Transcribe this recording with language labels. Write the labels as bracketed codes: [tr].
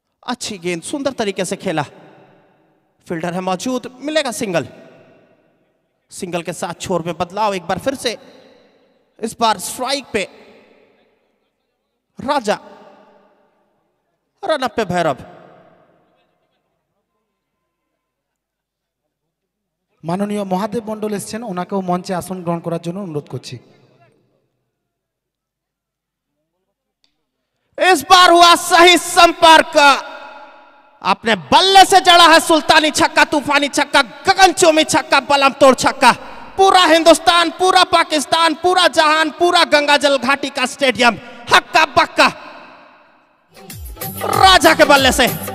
[hi] अच्छी गेंद, सुंदर तरीके से खेला, फील्डर है मौजूद, मिलेगा सिंगल। सिंगल के साथ छोर में बदलाव, एक बार फिर से इस बार स्ट्राइक पे राजा, रनअप पे भैरव। [bn] माननीय মহাদেব মণ্ডল এসেছেন, ওনাকেও মঞ্চে আসন গ্রহণ করার জন্য অনুরোধ করছি। [hi] इस बार हुआ सही संपर्क, आपने बल्ले से जड़ा है सुल्तानी छक्का, तूफानी छक्का, गगनचुंबी छक्का, बलम तोड़ छक्का। पूरा हिंदुस्तान, पूरा पाकिस्तान, पूरा जहान, पूरा गंगाजल घाटी का स्टेडियम हक्का बक्का राजा के बल्ले से।